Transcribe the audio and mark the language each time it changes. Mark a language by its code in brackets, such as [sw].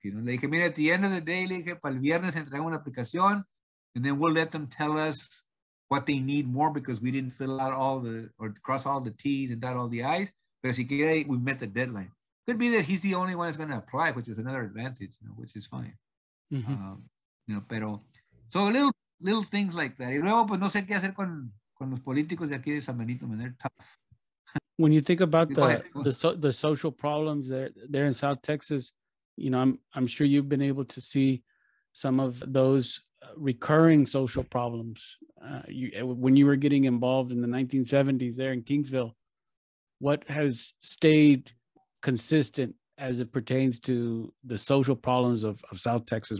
[en] You know, [es] le dije, mira, [en] at the end of the day, [es] le dije, para el viernes entregamos una aplicación, [en] and then we'll let them tell us what they need more because we didn't fill out all the, or cross all the T's and dot all the I's. [es] Pero si quiere, [en] we met the deadline. Could be that he's the only one that's going to apply, which is another advantage, you know, which is fine. Mm-hmm. You know, [es] pero, [en] so little things like that. [es] Y luego, pues no sé qué hacer con los políticos de aquí de San Benito, [en] man, they're tough. When you think about the social problems there in South Texas, you know, I'm sure you've been able to see some of those recurring social problems. When you were getting involved in the 1970s there in Kingsville, what has stayed consistent as it pertains to the social problems of South Texas?